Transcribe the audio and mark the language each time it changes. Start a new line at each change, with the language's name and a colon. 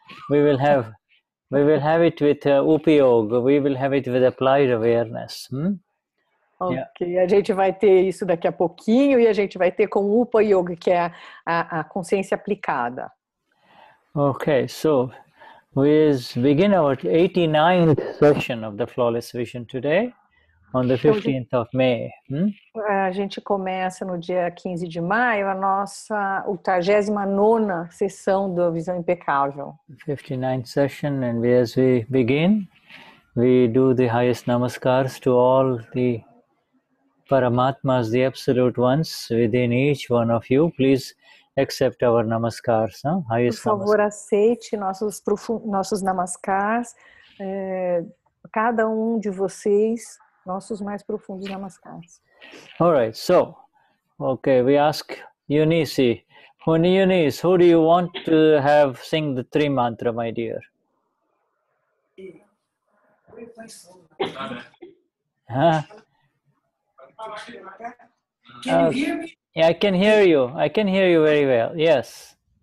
English: We will have it with upyog. We will have it with applied awareness. Ok, yeah.
Portuguese: A gente vai ter isso daqui a pouquinho e a gente vai ter com o Upa Yoga, que é a consciência aplicada.
English: Ok, so we begin our 89th session of the Flawless Vision today, on the 15th of May.
Portuguese: A gente começa no dia 15 de maio a nossa 89ª sessão da Visão Impecável.
English: 59th session, and as we begin, we do the highest namaskars to all the Paramatmas, the absolute ones within each one of you, please accept our namaskars.
Portuguese: Por favor, aceite nossos namaskars, cada de vocês, nossos mais profundos namaskars.
English: All right, so, okay, we ask Eunice. Eunice, who do you want to have sing the three mantra, my dear? Can you hear me? Yeah, I can hear you. I can hear you very well. Yes.